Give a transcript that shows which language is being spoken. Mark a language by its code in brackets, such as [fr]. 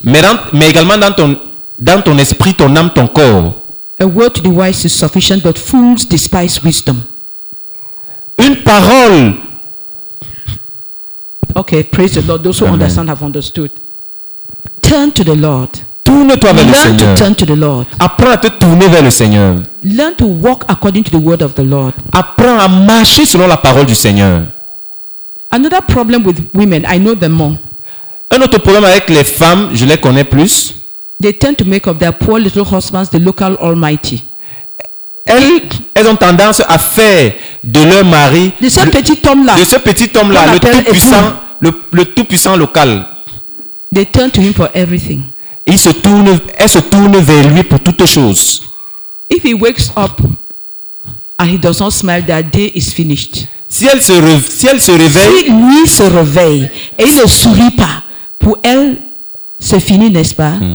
[fr] Mais également dans ton esprit, ton âme, ton corps. [en] A word to the wise is sufficient, but fools despise wisdom. [fr] Une parole. [en] Okay, praise the Lord. Those who Amen. Understand have understood. Turn to the Lord. [fr] Tourne-toi vers [en] Learn [fr] le Seigneur. [en] To turn to the Lord. [fr] Apprends à te tourner vers le Seigneur. [en] Learn to walk according to the word of the Lord. [fr] Apprends à marcher selon la parole du Seigneur. [en] Another problem with women, I know them more. [fr] Un autre problème avec les femmes, je les connais plus. [en] They tend to make of their poor little husbands the local almighty. [fr] Elles ont tendance à faire de leur mari de ce petit homme-là, le tout puissant local. [en] They turn to him for everything. [fr] Elles se tournent vers lui pour toutes choses. [en] If he wakes up and he does not smile, that day is finished. [fr] Si lui se réveille et il ne sourit pas, pour elle c'est fini, n'est-ce pas?